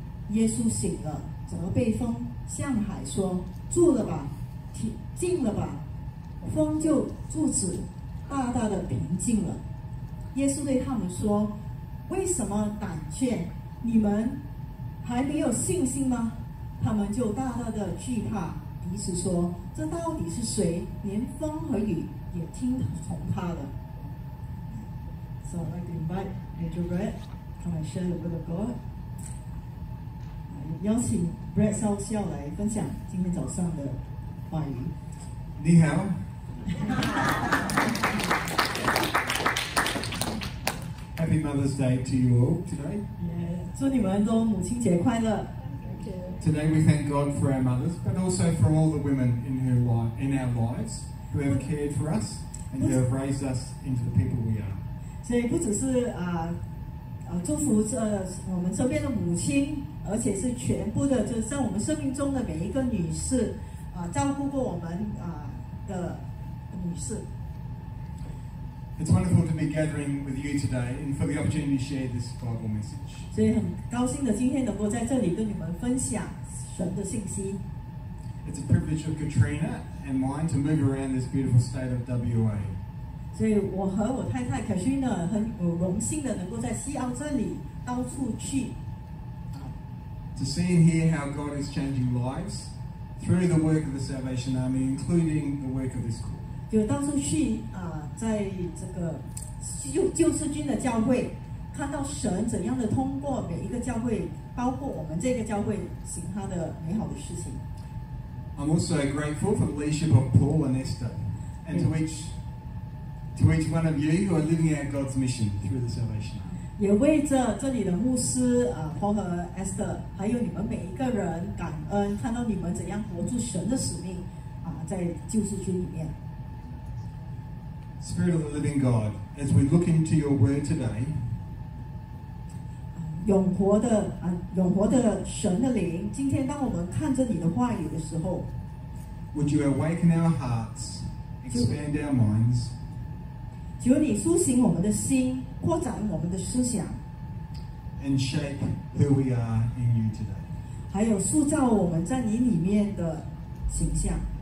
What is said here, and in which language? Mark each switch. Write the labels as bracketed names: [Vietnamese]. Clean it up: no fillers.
[Chinese] 耶稣醒了，责备风向海说，住了吧，静了吧，风就住止，大大的平静了。耶稣对他们说，为什么胆怯？你们还没有信心吗？他们就大大的惧怕，彼此说，这到底是谁？连风和雨也听从他的。 [English] So I'd like to invite Andrew Brett come and share the word of God. [Chinese] 邀请 Brett 稍息要来分享今天早上的话语。你好。 [English] Happy Mother's Day to you all today. [Chinese] Yeah, 祝你们都母亲节快乐。 [English] Today we thank God for our mothers, but also for all the women in our lives who have cared for us and who have raised us into the people we are. [Chinese] 所以不只是祝福我们身边的母亲，而且是全部的，就是在我们生命中的每一个女士照顾过我们的女士。 [English] It's wonderful to be gathering with you today and for the opportunity to share this Bible message. [Chinese] 所以很高兴的今天能够在这里跟你们分享神的信息。 [English] It's a privilege of Katrina and mine to move around this beautiful state of WA. [Chinese] 所以我和我太太 Katrina 很荣幸的能够在西澳这里到处去。 [English] To see and hear how God is changing lives through the work of the Salvation Army, including the work of this call. [Chinese] 就到处去在这个救世军的教会，看到神怎样的通过每一个教会，包括我们这个教会，行他的美好的事情。 [English] I'm also grateful for the leadership of Paul and Esther, and to each one of you who are living out God's mission through the Salvation Army. [Chinese] 也为这里的牧师Paul 和 Esther, 还有你们每一个人感恩，看到你们怎样活出神的使命在救世军里面。 [English] Spirit of the Living God, as we look into your word today, [Chinese] 永活的神的灵，今天当我们看着你的话语的时候， [English] Would you awaken our hearts, expand our minds? [Chinese] 求你苏醒我们的心，扩展我们的思想， [English] and shape who we are in you today. [Chinese] 还有塑造我们在你里面的形象。